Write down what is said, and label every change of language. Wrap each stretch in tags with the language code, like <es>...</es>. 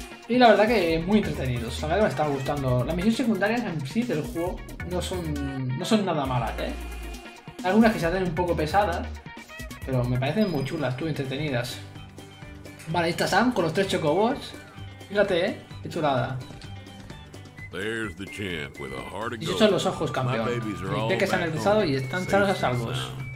<es>Y la verdad que muy entretenidos. A mí me está gustando. Las misiones secundarias en sí del juego no son nada malas, ¿eh? Algunas que se hacen un poco pesadas, pero me parecen muy chulas, tú, entretenidas. Vale, ahí está Sam con los tres chocobos. Fíjate, ¿eh? Qué chulada.</es> <en>There's the champ with a heart of gold.</en> <es>Y esos son los ojos, campeón. Ve que se han regresado y están sanos a salvos.</es>